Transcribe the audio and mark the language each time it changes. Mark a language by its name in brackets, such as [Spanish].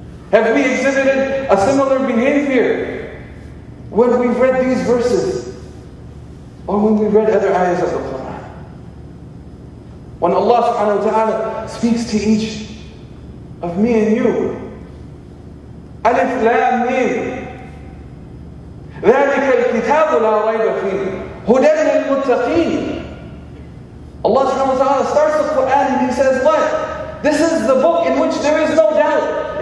[English] Have we exhibited a similar behavior when we've read these verses? Or when we've read other ayahs of the Quran? When Allah subhanahu wa ta'ala speaks to each of me and you, Alif Lam Mim. [Arabic] ذلك الكتاب لا ريب فيه هدى للمتقين. [English] Allah subhanahu wa ta'ala starts the Quran and He says, what? This is the book in which there is no doubt.